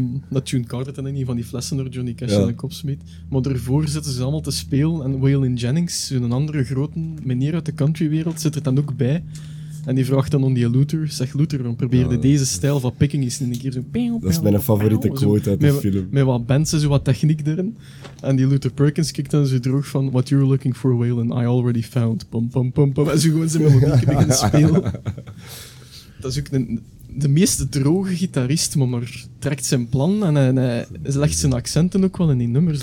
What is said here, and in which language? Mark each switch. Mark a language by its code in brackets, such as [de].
[nl] Dat June Carter en een van die flessen door Johnny Cash in de kop smeet. Maar daarvoor zitten ze allemaal te spelen. En Waylon Jennings, een andere grote meneer uit de countrywereld, zit er dan ook bij. En die vraagt dan om die Luther. Zeg, Luther, we probeerden deze stijl van picking eens in een keer zo... Dat is mijn favoriete quote uit de film. Met wat bands en zo wat techniek erin. En die Luther Perkins kijkt dan zo droog van... [en] What you're looking for, Waylon, I already found. Pum, pum, pum, pum. [nl] En zo gewoon zijn melodieke beginnen spelen. Dat is ook de meest droge gitarist, maar trekt zijn plan en hij legt zijn accenten ook wel in die nummers.